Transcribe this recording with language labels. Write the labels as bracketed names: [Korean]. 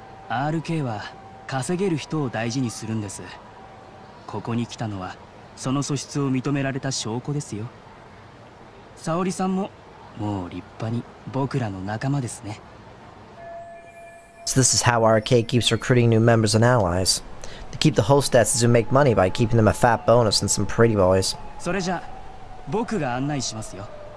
[Japanese] RK は稼げる人を大事にするんです。ここに来たのはその素質を認められた証拠ですよ。沙織さんももう立派に僕らの仲間ですね。 [English] So this is how RK keeps recruiting new members and allies. To keep the hostesses who make money by keeping them a fat bonus and some pretty boys. [Japanese] それじゃ僕が案内しますよ。